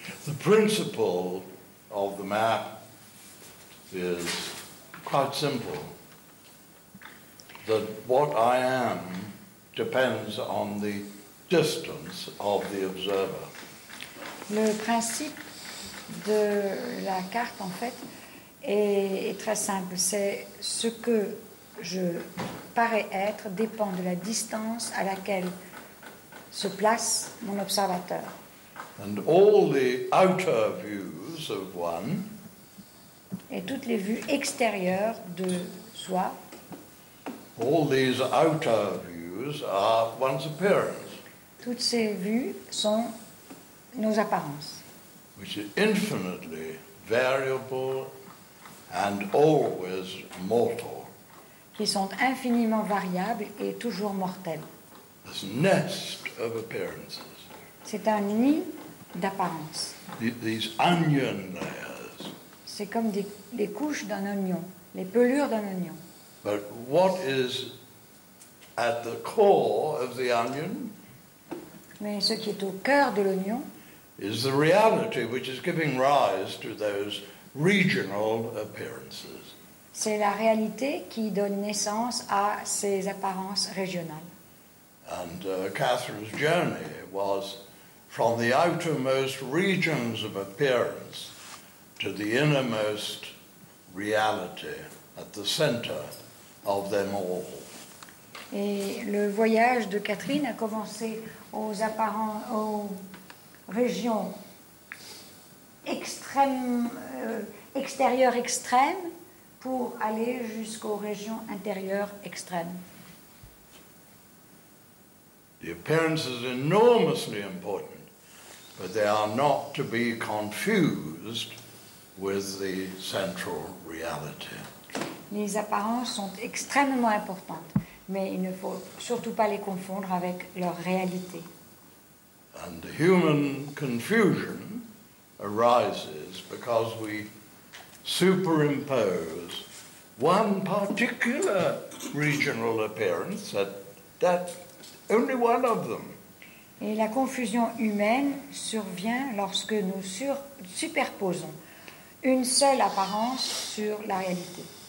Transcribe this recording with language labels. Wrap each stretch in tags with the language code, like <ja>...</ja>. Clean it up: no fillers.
<en>The principle of the map is quite simple, that what I am depends on the distance of the observer.</en> <fr>Le principe de la carte, en fait, est très simple. C'est ce que je parais être dépend de la distance à laquelle se place mon observateur.</fr> <en>And all the outer views of one,</en> <fr>et toutes les vues extérieures de soi,</fr> <en>all these outer views are one's appearance.</en> <fr>Toutes ces vues sont nos apparences.</fr> <en>Which is infinitely variable and always mortal.</en> <fr>Qui sont infiniment variables et toujours mortelles.</fr> <en>This nest of appearances.</en> <fr>C'est un nid d'apparences.</fr> <en>These onion layers.</en> <fr>C'est comme des couches d'un oignon, les pelures d'un oignon.</fr> <en>But what is at the core of the onion?</en> <fr>Mais ce qui est au cœur de l'oignon</fr> <en>is the reality which is giving rise to those regional appearances.</en> <fr>C'est la réalité qui donne naissance à ces apparences régionales.</fr> <en>And Catherine's journey was from the outermost regions of appearance to the innermost reality at the center of them all.</en> <fr>Et le voyage de Catherine a commencé aux apparences, aux régions extérieures extrêmes pour aller jusqu'aux régions intérieures extrêmes.</fr> <en>The appearance is enormously important, but they are not to be confused with the central reality.</en> <fr>Les apparences sont extrêmement importantes, mais il ne faut surtout pas les confondre avec leur réalité.</fr> <en>And the human confusion arises because we superimpose one particular regional appearance at that only one of them.</en> <fr>Et la confusion humaine survient lorsque nous superposons une seule apparence sur la réalité.</fr>